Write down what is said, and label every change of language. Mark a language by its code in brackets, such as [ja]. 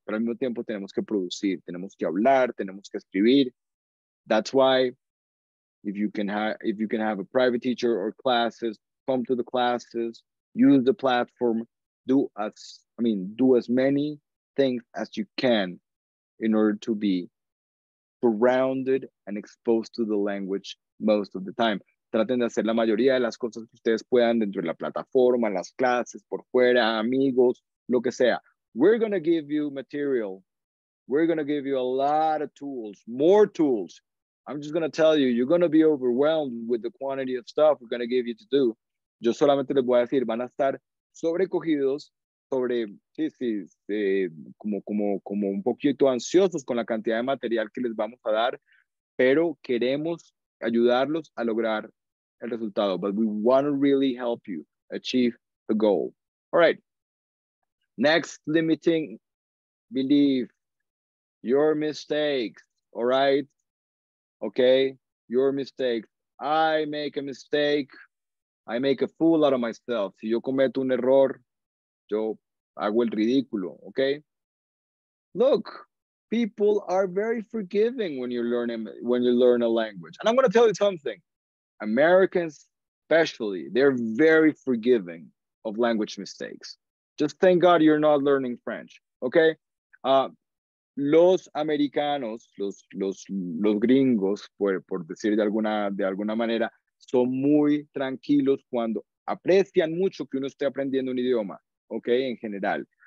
[es] Pero al mismo tiempo, tenemos que producir, tenemos que hablar, tenemos que escribir. [en] That's why if you can have a private teacher or classes, come to the classes, use the platform, do as many things as you can in order to be surrounded and exposed to the language most of the time. [es] Traten de hacer la mayoría de las cosas que ustedes puedan dentro de la plataforma, las clases, por fuera, amigos, lo que sea. [en] We're going to give you material. We're going to give you a lot of tools, more tools. I'm just going to tell you, you're going to be overwhelmed with the quantity of stuff we're going to give you to do. [es] Yo solamente les voy a decir, van a estar sobrecogidos, como un poquito ansiosos con la cantidad de material que les vamos a dar, pero queremos ayudarlos a lograr el resultado. [en] But we want to really help you achieve the goal. All right. Next limiting belief. Your mistakes. All right. Okay. Your mistakes. I make a mistake. I make a fool out of myself. [es] Si yo cometo un error, yo hago el ridículo. [en] Okay. Look. People are very forgiving when you learn a language. And I'm going to tell you something. Americans, especially, they're very forgiving of language mistakes. Just thank God you're not learning French, okay? [es] Los americanos, los gringos, por decir de alguna manera, son muy tranquilos cuando aprecian mucho que uno esté aprendiendo un idioma, okay, en general.